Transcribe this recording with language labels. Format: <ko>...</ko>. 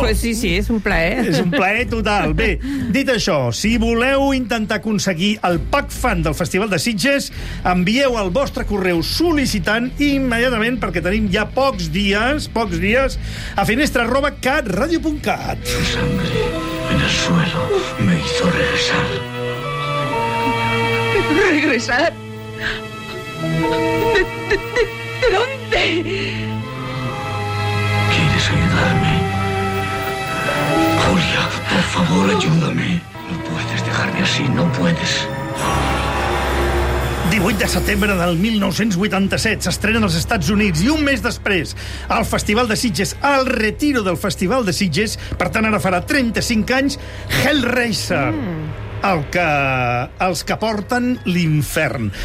<ca>Pues sí, sí, és un plaer. És un plaer total. Bé, dit això, si voleu intentar aconseguir el pack fan del Festival de Sitges, envieu el vostre correu sol·licitant immediatament, perquè tenim ja pocs dies, a finestra@catradio.cat.</ca> <es>Su sangre en el suelo me hizo regresar. ¿Regresar? ¿De dónde? ¿Quieres ayudarme? Julia, por favor, ayúdame. No puedes dejarme así, no puedes.</es> <ca>18 de setembre del 1987 s'estrena als Estats Units i un mes després al Festival de Sitges, al retiro del Festival de Sitges, per tant ara farà 35 anys, Hellraiser. Els que porten l'infern.</ca>